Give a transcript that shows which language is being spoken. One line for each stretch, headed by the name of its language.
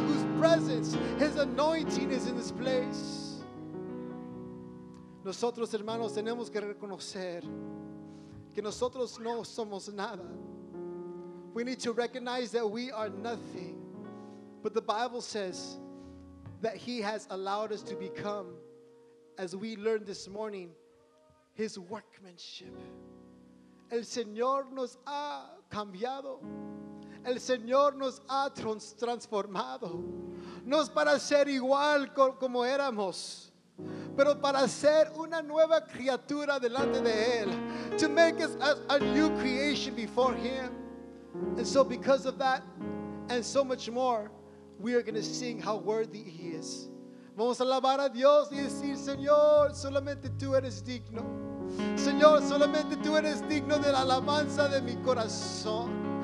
English: His presence, his anointing is in this place.
Spanish: Nosotros, hermanos, tenemos que reconocer que nosotros no somos nada.
English: We need to recognize that we are nothing. But the Bible says that he has allowed us to become, as we learned this morning, his workmanship.
Spanish: El Señor nos ha cambiado. El Señor nos ha transformado. No es para ser igual como éramos, pero para ser una nueva criatura delante de Él.
English: To make us a new creation before Him. And so because of that, and so much more, we are going to sing how worthy He is.
Spanish: Vamos a alabar a Dios y decir, Señor, solamente tú eres digno. Señor, solamente tú eres digno de la alabanza de mi corazón.